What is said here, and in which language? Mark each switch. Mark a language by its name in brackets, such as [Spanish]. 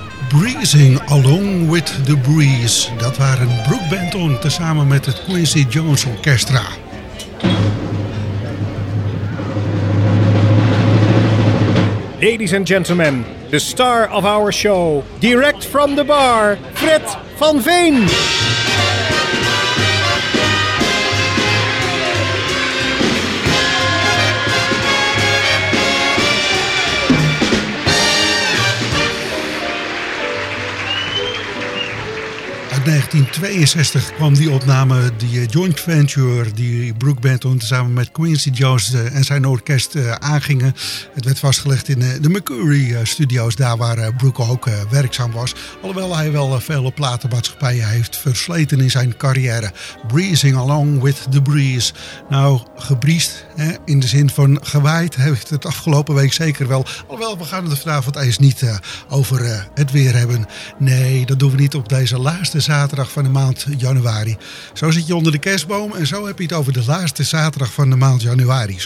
[English] Breezing Along with the Breeze. [Dutch] Dat waren Brooke Benton tezamen met het Quincy Jones Orchestra. [English] Ladies and gentlemen, the star of our show, direct from the bar, Fred van Veen. A [Dutch] 1962 kwam die opname, die joint venture die Brook Benton samen met Quincy Jones en zijn orkest aangingen. Het werd vastgelegd in de Mercury Studios, daar waar Brook ook werkzaam was. Alhoewel hij wel vele platenmaatschappijen heeft versleten in zijn carrière. [English] Breezing along with the breeze. [Dutch] Nou, gebriest in de zin van gewaaid heeft het afgelopen week zeker wel. Alhoewel, we gaan het vanavond eens niet over het weer hebben. Nee, dat doen we niet op deze laatste zaterdag van de maand januari. Zo zit je onder de kerstboom en zo heb je het over de laatste zaterdag van de maand januari.